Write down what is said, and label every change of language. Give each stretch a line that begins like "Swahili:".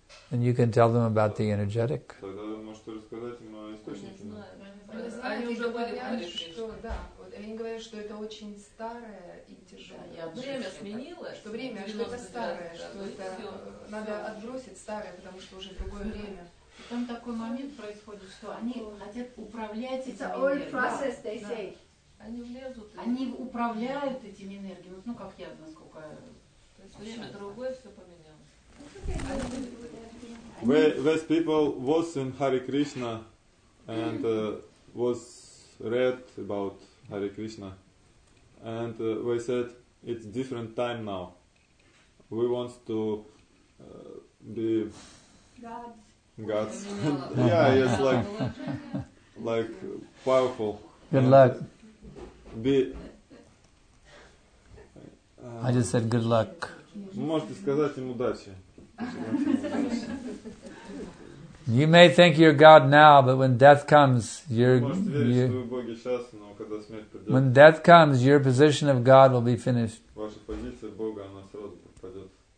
English: And you can tell them about the energetic.
Russian: Там такой момент происходит, что они хотят управлять
English: It's
Russian: этими энергиями. Process, да, да. Они влезут. Они управляют этими энергиями. Вот, ну, как я, насколько... То есть время другое все поменялось.
English: West people was in Hare Krishna and was read about Hare Krishna. And we said, it's different time now. We want to be... Gods. Yeah, it's like powerful. Good and luck. Be, I just said good luck.
Russian: Можете сказать им удачи.
English: You may think you're God now, but when death comes, when death comes, your position of God will be finished.
Russian: Ваша позиция Бога, она сразу пропадет.